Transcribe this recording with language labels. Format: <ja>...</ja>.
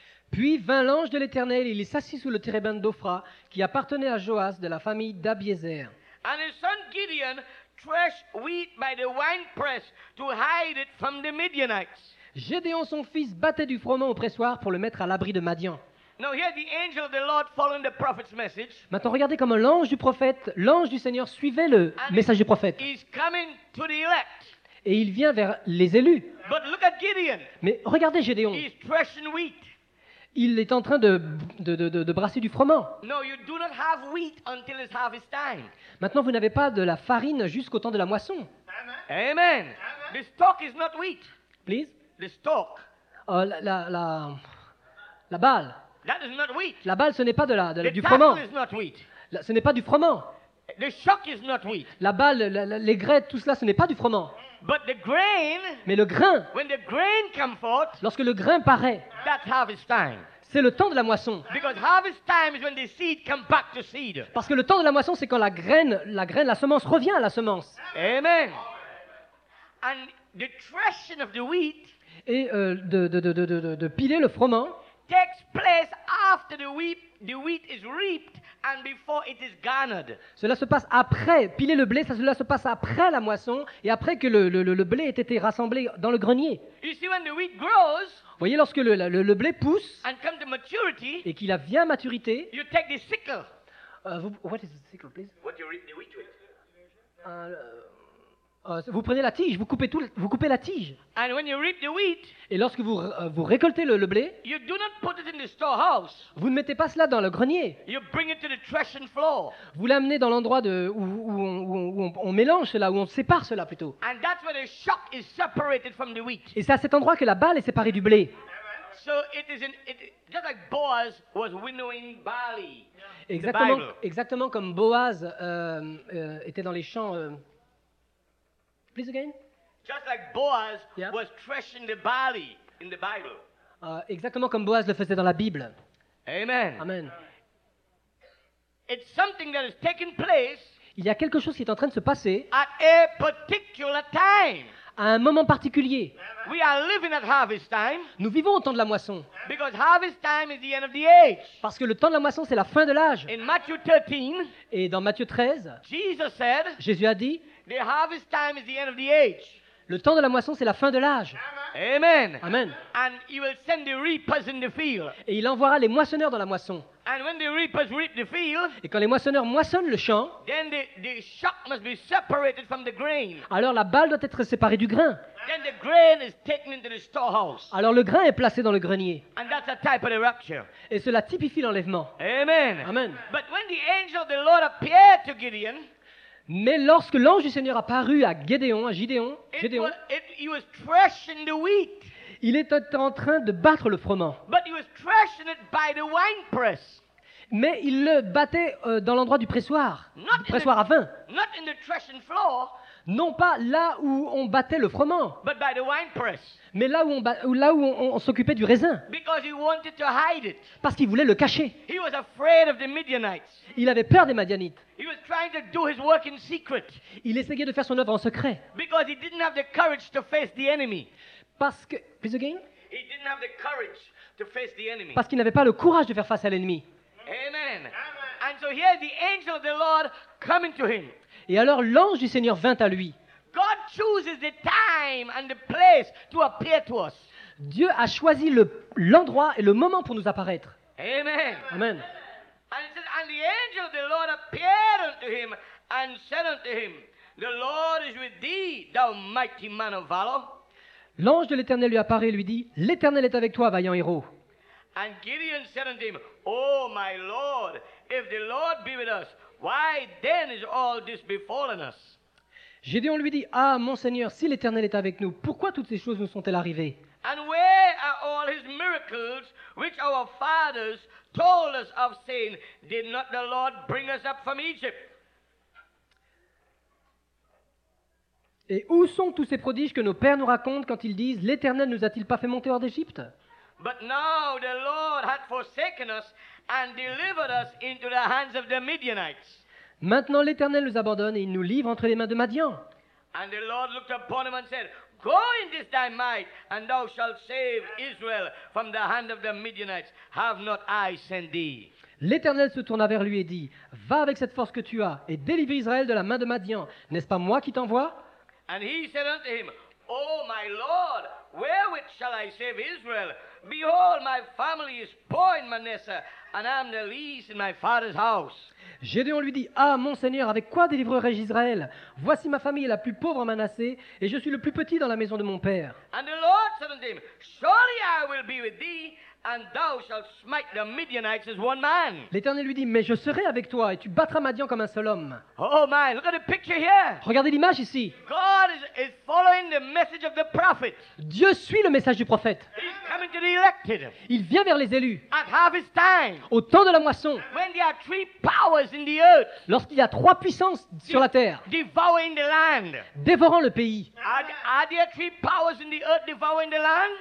<fr>Puis vint l'ange de l'Éternel, et il s'assit sous le térébin d'Ophra, qui appartenait à Joas de la famille d'Abiézer.</fr> <en>And his son Gideon threshed wheat by the winepress to hide it from the Midianites.</en> <fr>Gédéon son fils battait du froment au pressoir pour le mettre à l'abri de Madian.</fr> <en>Now here the angel of the Lord following the prophet's message.</en> <fr>Maintenant regardez comment l'ange du prophète, l'ange du Seigneur suivait le message du prophète.</fr> <en>He's coming to the elect.</en> <fr>Et il vient vers les élus.</fr> <en>But look at Gideon.</en> <fr>Mais regardez Gédéon.</fr> <en>He's threshing wheat.</en> <fr>Il est en train de brasser du froment.</fr> <en>No, you do not have wheat until it's harvest time.</en> <fr>Maintenant, vous n'avez pas de la farine jusqu'au temps de la moisson.</fr> <en>Amen. Amen. The stalk is not wheat. Please. The stalk.</en> <fr>La balle.</fr> <en>That is not wheat.</en> <fr>La balle, ce n'est pas du froment.</fr> <en>Is not wheat.</en> <fr>Ce n'est pas du froment.</fr> <en>The shock is not wheat.</en> <fr>La balle, les graines, tout cela, ce n'est pas du froment.</fr> <en>But the grain,</en> <fr>mais le grain,</fr> <en>when the grain come forth,</en> <fr>lorsque le grain paraît,</fr> <en>that's harvest time.</en> <fr>C'est le temps de la moisson.</fr> <en>Because harvest time is when the seed come back to seed.</en> <fr>Parce que le temps de la moisson, c'est quand la semence revient à la semence.</fr> <en>Amen. And the threshing of the wheat,</en> <fr>et de piler le froment,</fr> <en>takes place after the wheat is reaped. And before it is garnered.</en> <fr>Cela se passe après piler le blé. Cela se passe après la moisson et après que le blé ait été rassemblé dans le grenier.</fr> <en>You see, when the wheat grows,</en> <fr>voyez lorsque le blé pousse</fr> <en>and come to maturity,</en> <fr>et qu'il a vient à maturité.</fr> <en>You take the sickle. What is the sickle, please? What you reap the wheat with?</en> <fr>Vous prenez la tige, vous coupez tout, vous coupez la tige.</fr> <en>And when you reap the wheat,</en> <fr>et lorsque vous vous récoltez le blé,</fr> <en>you do not put it in the storehouse.</en> <fr>Vous ne mettez pas cela dans le grenier.</fr> <en>You bring it to the threshing floor.</en> <fr>Vous l'amenez dans l'endroit de où on mélange cela, où on sépare cela plutôt.</fr> <en>And that's where the shock is separated from the wheat.</en> <fr>Et c'est à cet endroit que la balle est séparée du blé.</fr> <en>So it is in it, just like Boaz was winnowing barley. Yeah.</en> <fr>Exactement, exactement comme Boaz était dans les champs.</fr> <en>Please again. Just like Boaz was threshing the barley in the Bible.</en> <fr>Exactement comme Boaz le faisait dans la Bible.</fr> <en>Amen. Amen. It's something that is taking place.</en> <fr>Il y a quelque chose qui est en train de se passer.</fr> <en>At a particular time.</en> <fr>À un moment particulier.</fr> <en>We are living at harvest time.</en> <fr>Nous vivons au temps de la moisson.</fr> <en>Because harvest time is the end of the age.</en> <fr>Parce que le temps de la moisson, c'est la fin de l'âge.</fr> <en>In Matthew 13.</en> <fr>Et dans Matthieu 13.</fr> <en>Jesus said.</en> <fr>Jésus a dit.</fr> <en>The harvest time is the end of the age.</en> <fr>Le temps de la moisson, c'est la fin de l'âge.</fr> <en>Amen. Amen. And he will send the reapers in the field.</en> <fr>Et il enverra les moissonneurs dans la moisson.</fr> <en>And when the reapers reap the field,</en> <fr>et quand les moissonneurs moissonnent le champ,</fr> <en>then the shock must be separated from the grain.</en> <fr>Alors la balle doit être séparée du grain.</fr> <en>Then the grain is taken into the storehouse.</en> <fr>Alors le grain est placé dans le grenier.</fr> <en>And that's a type of the rapture.</en> <fr>Et cela typifie l'enlèvement.</fr> <en>Amen. Amen. But when the angel of the Lord appeared to Gideon,</en> <fr>mais lorsque l'ange du Seigneur apparut à Gédéon, à Gédéon,</fr> <en>he was threshing the wheat.</en> <fr>Il était en train de battre le froment.</fr> <en>But he was threshing it by the wine press.</en> <fr>Mais il le battait dans l'endroit du pressoir,</fr> <en>not</en> <fr>du pressoir à vin.</fr> <en>Not in the threshing floor,</en> <fr>non pas là où on battait le froment,</fr> <en>but by the wine press.</en> <fr>Mais là où on s'occupait du raisin.</fr> <en>Because he wanted to hide it.</en> <fr>Parce qu'il voulait le cacher.</fr> <en>He was afraid of the Midianites.</en> <fr>Il avait peur des Madianites.</fr> <en>He was trying to do his work in secret.</en> <fr>Il essayait de faire son œuvre en secret.</fr> <en>Because he didn't have the courage to face the enemy.</en> <fr>Parce que,</fr> <en>please again? He didn't have the courage to face the enemy.</en> <fr>Parce qu'il n'avait pas le courage de faire face à l'ennemi.</fr> <en>Amen. Amen. And so here the angel of the Lord coming to him.</en> <fr>Et alors l'ange du Seigneur vint à lui.</fr> <en>God chooses the time and the place to appear to us.</en> <fr>Dieu a choisi l'endroit et le moment pour nous apparaître.</fr> <en>Amen. Amen. And it says, and the angel of the Lord appeared unto him and said unto him, the Lord is with thee, thou mighty man of valor.</en> <fr>L'ange de l'Éternel lui apparaît et lui dit, l'Éternel est avec toi, vaillant héros.</fr> <en>And Gideon said unto him, oh my Lord, if the Lord be with us, why then is all this befallen us?</en> <fr>Gédéon lui dit, ah, mon Seigneur, si l'Éternel est avec nous, pourquoi toutes ces choses nous sont-elles arrivées?</fr> <en>And where are all his miracles which our fathers told us of saying, did not the Lord bring us up from Egypt?</en> <fr>Et où sont tous ces prodiges que nos pères nous racontent quand ils disent, l'Éternel nous a-t-il pas fait monter hors d'Égypte?</fr> <en>But now the Lord hath forsaken us and delivered us into the hands of the Midianites.</en> <fr>Maintenant l'Éternel nous abandonne et il nous livre entre les mains de Madian.</fr> <en>And the Lord looked upon him and said, go in this thy might, and thou shalt save Israel from the hand of the Midianites. Have not I sent thee?</en> <fr>L'Éternel se tourna vers lui et dit, va avec cette force que tu as et délivre Israël de la main de Madian. N'est-ce pas moi qui t'envoie?</fr> <en>And he said unto him, oh my Lord, wherewith shall I save Israel? Behold, my family is poor in Manasseh, and I am the least in my father's house.</en> <fr>Gédéon lui dit, ah, mon Seigneur, avec quoi délivrerai-je Israël? Voici ma famille est la plus pauvre en Manassé, et je suis le plus petit dans la maison de mon père.</fr> <en>And the Lord said unto him, surely I will be with thee, and thou shalt smite the Midianites as one man.</en> <fr>L'Éternel lui dit, mais je serai avec toi, et tu battras Madian comme un seul homme.</fr> <en>Oh my, look at the picture here.</en> <fr>Regardez l'image ici.</fr> <en>God is following the message of the prophet.</en> <fr>Dieu suit le message du prophète.</fr> <en>Coming to the elected.</en> <fr>Il vient vers les élus.</fr> <en>At harvest time.</en> <fr>Au temps de la moisson.</fr> <en>When there are three powers in the earth.</en> <fr>Lorsqu'il y a trois puissances sur la terre.</fr> <en>Devouring the land.</en> <fr>Dévorant le pays.</fr> <en>Are there three powers in the earth devouring the land?</en>